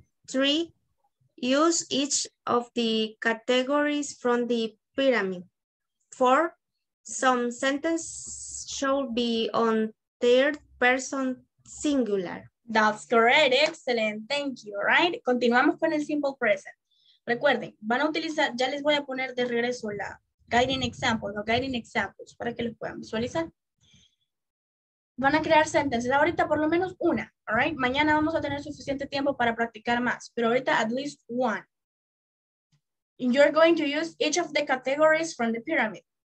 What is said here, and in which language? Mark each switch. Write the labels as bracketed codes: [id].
[en] 3, use each of the categories from the pyramid. 4, some sentence should be on third person singular. That's correct, excellent, thank you, right? [es] Continuamos con el simple present. Recuerden, van a utilizar, ya les voy a poner de regreso la guiding examples, los guiding examples, para que los puedan visualizar. Van a crear sentences, ahorita por lo menos una, [en] all right? [es] Mañana vamos a tener suficiente tiempo para practicar más, pero ahorita [en] at least one. And you're going to use each of the categories from the pyramid.